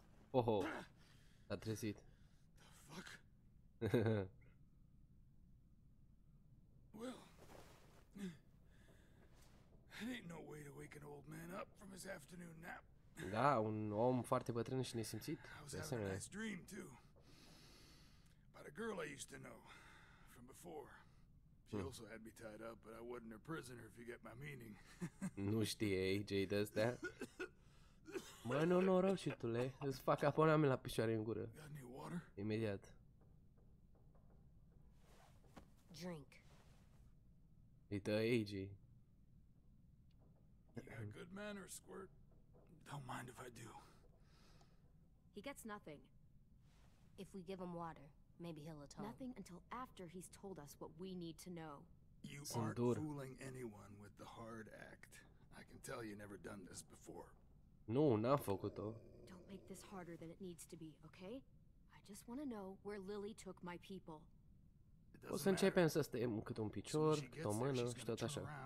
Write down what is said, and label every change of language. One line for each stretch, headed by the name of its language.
Romanian: Oho, s-a trezit.
English: The fuck? Well, there ain't no way to wake an old man up from his afternoon nap.
Romanian: Da, un om foarte bătrân și nesimțit.
English: I was having a nice dream too. About a girl I used to know from before. She also had me tied up, but I wasn't her prisoner, if you get my meaning.
Romanian: Nu știe, AJ,
English: does that?
Romanian: Mă, nenorocitule, îți fac apă la picioare în gură.
English: Got any water?
Romanian: Imediat.
English: Drink.
Romanian: Îi dă AJ.
English: You got good manners, squirt. Don't mind if I do. He gets nothing. If we give him water. Maybe he'll atone. Nothing until after he's told us what we need to know. You aren't fooling anyone with the hard act. I can tell you never done this before.
Romanian: Nu, n-am făcut-o.
English: Don't make this harder than it needs to be, okay? I just want to know where Lily took my people.
Romanian: O să începem să stăm cât un picior, cât o mână și tot așa.